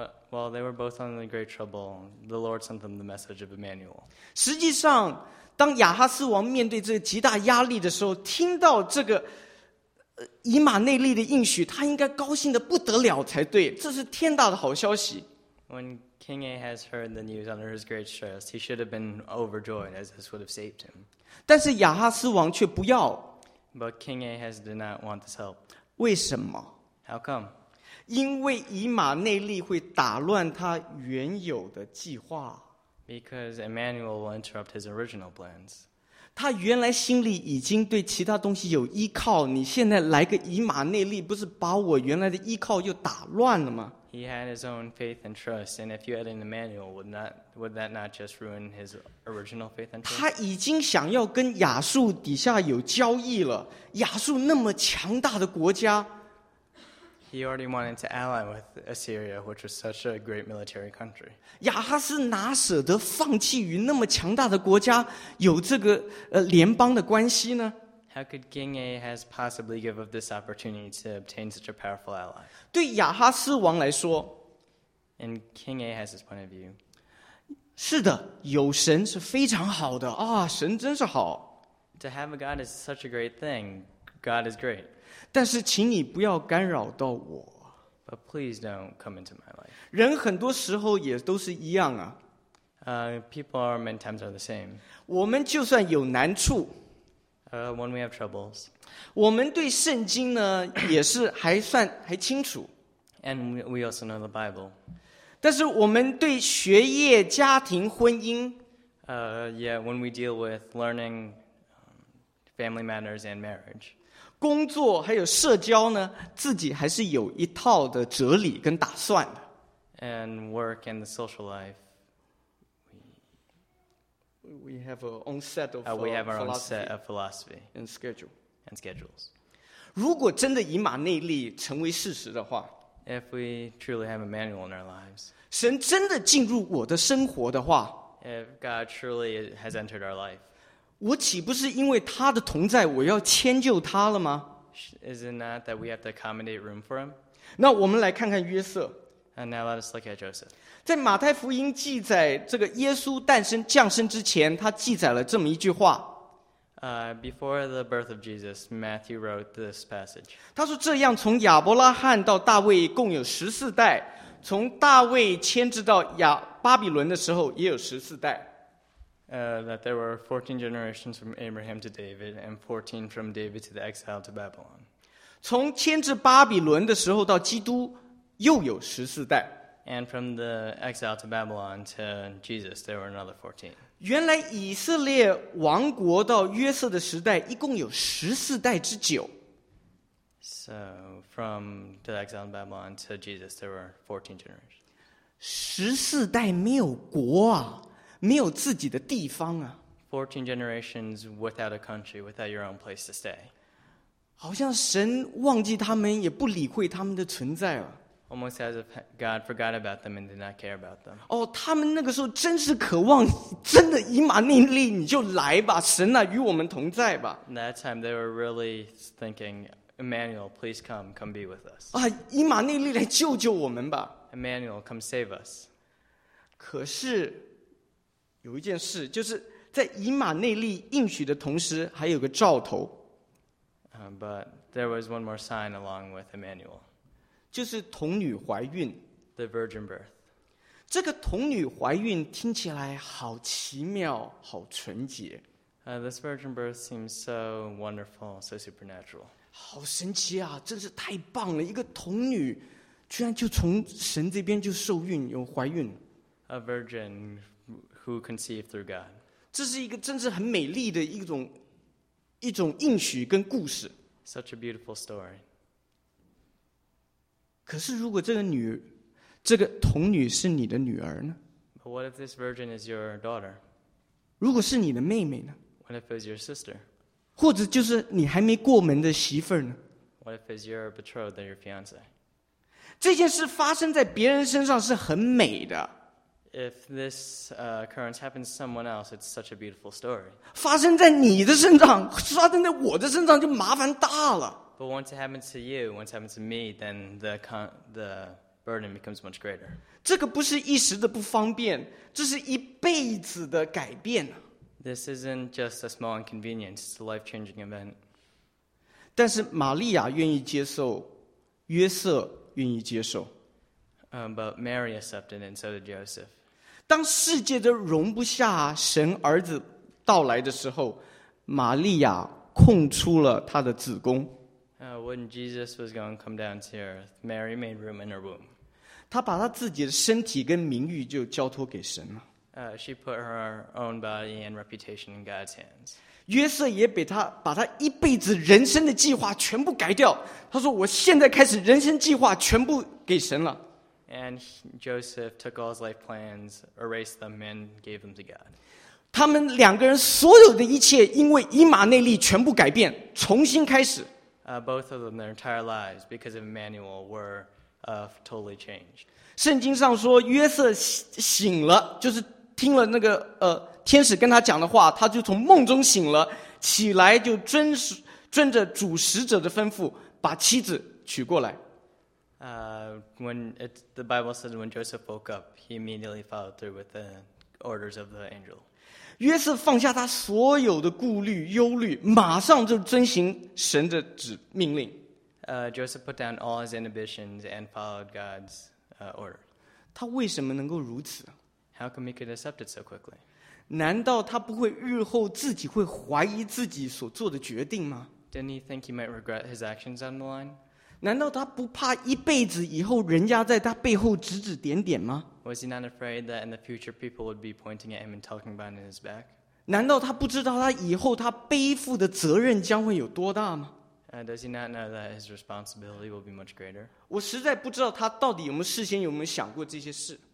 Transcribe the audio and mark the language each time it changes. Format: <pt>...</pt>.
<en>While they were both under great trouble, the Lord sent them the message of Emmanuel.</en> <zh>实际上，当亚哈斯王面对这个极大压力的时候，听到这个以马内利的应许，他应该高兴的不得了才对，这是天大的好消息。</zh> <en>When King Ahaz heard the news under his great stress, he should have been overjoyed, as this would have saved him.</en> <zh>但是亚哈斯王却不要。</zh> <en>But King Ahaz did not want this help.</en> <zh>为什么？</zh> <en>How come?</en> <zh>因为以马内利会打乱他原有的计划。</zh> <en>Because Emmanuel will interrupt his original plans.</en> <zh>他原来心里已经对其他东西有依靠，你现在来个以马内利，不是把我原来的依靠又打乱了吗？</zh> <en>He had his own faith and trust, and if you add in Emmanuel, would that not just ruin his original faith and trust?</en> <zh>他已经想要跟亚述底下有交易了，亚述那么强大的国家。</zh> <en>He already wanted to ally with Assyria, which was such a great military country.</en> <zh>亚哈斯哪舍得放弃与那么强大的国家有这个联邦的关系呢？</zh> <en>How could King Ahaz possibly give up this opportunity to obtain such a powerful ally?</en> <zh>对亚哈斯王来说，</zh> <en>In King Ahaz's point of view,</en> <zh>是的，有神是非常好的啊，神真是好。</zh> <en>To have a God is such a great thing. God is great.</en> <zh>但是请你不要干扰到我。</zh> <en>But please don't come into my life.</en> <zh>人很多时候也都是一样啊。</zh> <en>People are many times are the same.</en> <zh>我们就算有难处。</zh> <en>When we have troubles.</en> <zh>我们对圣经呢也是还算还清楚。</zh> <en>And we also know the Bible.</en> <zh>但是我们对学业、家庭、婚姻</zh> <en>when we deal with learning family matters and marriage,</en> <zh>工作还有社交呢，自己还是有一套的哲理跟打算的。</zh> <en>And work and the social life, we have our own set of we have our own set of philosophy and schedule and schedules.</en> <zh>如果真的以马内利成为事实的话</zh> <en>，if we truly have Emmanuel in our lives,</en> <zh>神真的进入我的生活的话</zh> <en>，if God truly has entered our life,</en> <zh>我岂不是因为他的同在，我要迁就他了吗</zh> <en>？Is it not that we have to accommodate room for him?</en> <zh>那我们来看看约瑟。</zh> <en>And now let us look at Joseph.</en> <zh>在马太福音记载这个耶稣诞生降生之前，他记载了这么一句话。</zh> <en>Before the birth of Jesus, Matthew wrote this passage.</en> <zh>他说这样，从亚伯拉罕到大卫共有十四代，从大卫迁至到巴比伦的时候也有十四代。</zh> <en>That there were 14 generations from Abraham to David, and 14 from David to the exile to Babylon.</en> <zh>从迁至巴比伦的时候到基督又有十四代。</zh> <en>And from the exile to Babylon to Jesus, there were another 14.</en> <zh>原来以色列王国到约瑟的时代一共有十四代之久。</zh> <en>So from the exile to Babylon to Jesus, there were 14 generations.</en> <zh>十四代没有国啊，没有自己的地方啊。</zh> <en>14 generations without a country, without your own place to stay.</en> <zh>好像神忘记他们，也不理会他们的存在了。</zh> <en>Almost as if God forgot about them and did not care about them.</en> <zh>Oh, 他们那个时候真是渴望，真的以马内利，你就来吧，神啊，与我们同在吧。</zh> <en>That time they were really thinking, Emmanuel, please come, come be with us.</en> <zh>啊，以马内利来救救我们吧。</zh> <en>Emmanuel, come save us.</en> <zh>可是有一件事，就是在以马内利应许的同时，还有个兆头。</zh> <en>But there was one more sign along with Emmanuel.</en> <zh>就是童女怀孕</zh> <en>，the virgin birth。</en> <zh>这个童女怀孕听起来好奇妙，好纯洁。</zh> <en>This virgin birth seems so wonderful, so supernatural。</en> <zh>好神奇啊，真是太棒了！一个童女居然就从神这边就受孕，有怀孕。</zh> <en>A virgin who conceived through God。</en> <zh>这是一个真是很美丽的一种应许跟故事。</zh> <en>Such a beautiful story。</en> <zh>可是如果这个童女是你的女儿呢</zh> <en>But what if this virgin is your daughter?</en> <zh>如果是你的妹妹呢</zh> <en>What if it's your sister?</en> <zh>或者就是你还没过门的媳妇呢</zh> <en>What if it's your betrothed or your fiance?</en> <zh>这件事发生在别人身上是很美的</zh> <en>If this occurrence happens to someone else, it's such a beautiful story.</en> <zh>发生在你的身上发生在我的身上就麻烦大了</zh> <en>But once it happens to you, once it happens to me, then the burden becomes much greater.</en> <zh>这个不是一时的不方便，这是一辈子的改变。</zh> <en>This isn't just a small inconvenience, it's a life-changing event.</en> <zh>但是玛利亚愿意接受，约瑟愿意接受。</zh> <en>But Mary accepted and so did Joseph.</en> <zh>当世界都容不下神儿子到来的时候，玛利亚空出了她的子宫。</zh> <en>When Jesus was going to come down to earth, Mary made room in her womb.</en> <zh>她把她自己的身体跟名誉就交托给神了。</zh> <en>She put her own body and reputation in God's hands.</en> <zh>约瑟也把他一辈子人生的计划全部改掉。他说：“我现在开始人生计划全部给神了。”</zh> <en>And Joseph took all his life plans, erased them, and gave them to God.</en> <zh>他们两个人所有的一切，因为以马内利全部改变，重新开始。</zh> <en>Both of them, their entire lives, because of Emmanuel, were totally changed.</en> <zh>圣经上说，约瑟醒了，就是听了那个天使跟他讲的话，他就从梦中醒了，起来就遵着主使者的吩咐，把妻子娶过来。</zh> <en>The Bible says when Joseph woke up, he immediately followed through with the orders of the angel.</en> <zh>约瑟放下他所有的顾虑、忧虑，马上就遵行神的指命令。</zh> <en>Joseph put down all his inhibitions and followed God's order.</en> <zh>他为什么能够如此</zh> <en>？How come he could accept it so quickly?</en> <zh>难道他不会日后自己会怀疑自己所做的决定吗</zh> <en>？Didn't he think he might regret his actions down the line?</en> <zh>难道他不怕一辈子以后人家在他背后指指点点吗？</zh> <en>Was he not afraid that in the future people would be pointing at him and talking about his back?</en> <zh>难道他不知道他以后他背负的责任将会有多大吗？</zh> <en>Does he not know that his responsibility will be much greater?</en> <zh>我实在不知道他到底有没有事先有没有想过这些事。</zh>